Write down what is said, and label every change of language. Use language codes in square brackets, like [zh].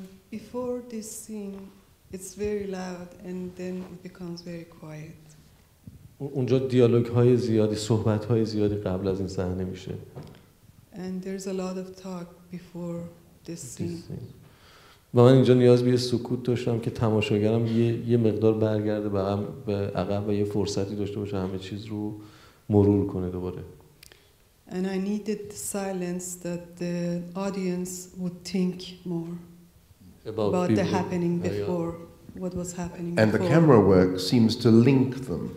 [en] Before this scene, it's very loud and then it becomes very quiet. [fa] اونجا دیالوگ های زیادی، صحبت های زیادی قبل از این صحنه میشه. [en] And there's a lot of talk before this scene. [fa] و من اینجا نیاز به یه سکوت داشتم که تماشاگرم یه مقدار برگرده به عقب و یه فرصتی داشته باشه همه چیز رو مرور کنه دوباره. [en] And I needed silence that the audience would think more about the happening before, what was happening and before. And the camera work seems to link them.